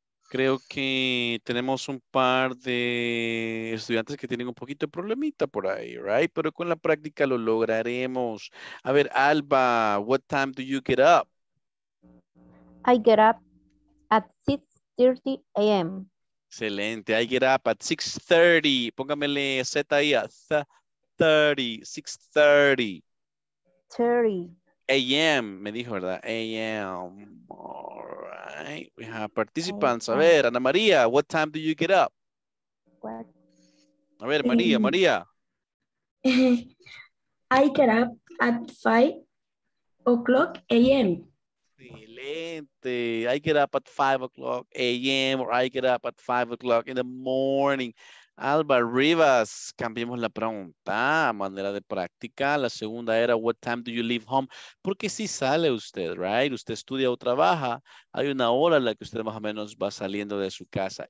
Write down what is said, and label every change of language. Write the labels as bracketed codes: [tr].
[es] Creo que tenemos un par de estudiantes que tienen un poquito de problemita por ahí, right? Pero con la práctica lo lograremos. A ver, [en] Alba, what time do you get up? I get up at 6:30 a.m. Excelente, I get up at 6:30. [es] Póngamele Z ahí, [en] 30, 6:30. [es] A.M., me dijo, ¿verdad? A.M., [en] all right. We have participants. [es] A ver, [en] Ana María, what time do you get up? What? [es] A ver, María, María. [en] I get up at 5 o'clock a.m. Excelente. I get up at 5 o'clock a.m. or I get up at 5 o'clock in the morning. [es] Alba Rivas, cambiemos la pregunta, manera de práctica. La segunda era, [en] what time do you leave home? [es] Porque si sale usted, right? Usted estudia o trabaja, hay una hora en la que usted más o menos va saliendo de su casa.